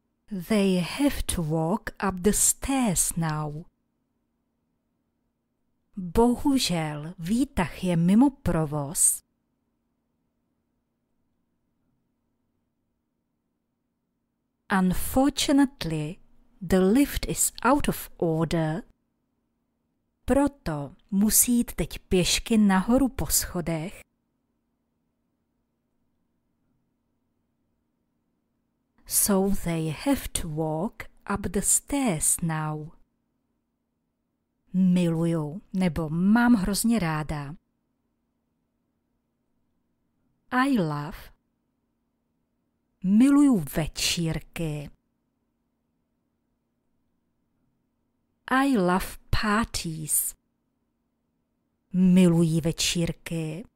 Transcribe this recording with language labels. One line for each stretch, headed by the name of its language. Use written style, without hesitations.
English: They have to walk up the stairs now.
Czech: Bohužel, výtah je mimo provoz.
English: Unfortunately, the lift is out of order.
Czech: Proto musí jít teď pěšky nahoru po schodech.
English: So they have to walk up the stairs now.
Czech: Miluju, nebo mám hrozně ráda.
English: I love.
Czech: Miluju večírky.
English: I love parties.
Czech: Miluji večírky,